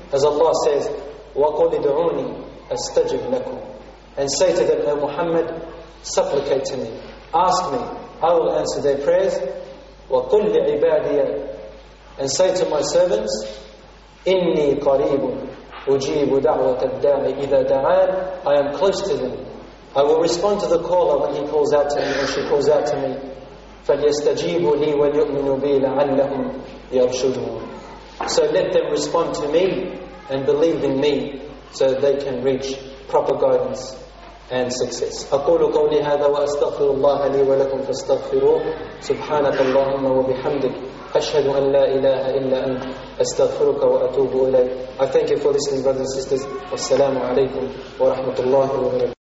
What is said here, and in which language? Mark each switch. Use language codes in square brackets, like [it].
[en] As Allah says, [ar] وَقُلِ دُعُونِي أَسْتَجِبْ لَكُمْ. [en] And say to them, O Muhammad, supplicate to me, ask me, I will answer their prayers. [ar] وَقُلْ لِعِبَادِيَ. [en] And say to my servants, [ar] إِنِّي قَرِيبٌ أُجِيبُ دَعْوَةَ الدَّاعِ إِذَا دَعَانِ. [en] I am close to them. I will respond to the caller when he calls out to me, when she calls out to me. [ar] فَلْيَسْتَجِيبُ لِي وَلْيُؤْمِنُ بِي لَعَلَّهُمْ يَرْشُدُونَ. [en] So let them respond to me and believe in me so that they can reach proper guidance and success. [ar] أقول قولي هذا وأستغفر الله لي ولكم فاستغفروه. سبحانك اللهم وبحمدك أشهد أن لا إله إلا أنت أستغفرك وأتوب إليك. [en] I thank you for listening, brothers and sisters. [ar] والسلام عليكم ورحمة الله وبركاته.